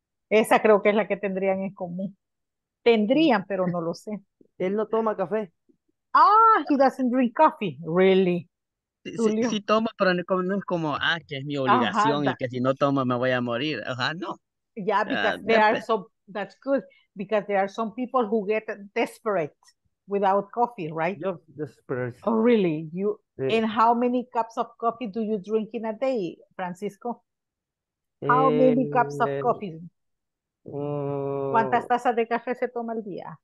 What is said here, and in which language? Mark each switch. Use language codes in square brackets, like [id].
[es] Esa creo que es la que tendrían en común. Tendrían, pero no lo sé. Él no toma café. [en] Ah, he doesn't drink coffee. Really. [es] Sí, sí toma, pero no es como, que es mi obligación. Ajá, y que si no toma me voy a morir. Ajá, no. [en] Yeah, because there are so, that's good. Because there are some people who get desperate without coffee, right? Yep, desperate. Oh, really? You? Yeah. And how many cups of coffee do you drink in a day, Francisco? How many cups of coffee? [es] ¿Cuántas tazas de café se toma al día?